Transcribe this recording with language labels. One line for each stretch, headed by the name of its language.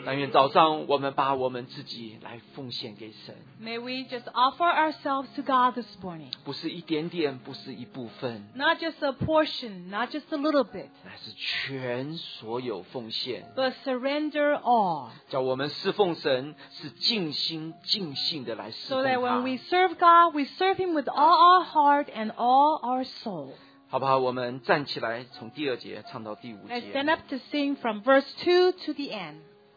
Chinese: 早上我们把我们自己来奉献给神
English: May we just offer ourselves to God this morning
Chinese: 不是一点点不是一部分
English: Not just a portion Not just a little bit
Chinese: 乃是全所有奉献
English: But surrender all
Chinese: 叫我们侍奉神是尽心尽性的来侍奉他
English: So that when we serve God We serve him with all our heart And all our soul
Chinese: 好不好我们站起来从第二节唱到第五节
English: Let's stand up to sing from verse 2 to the end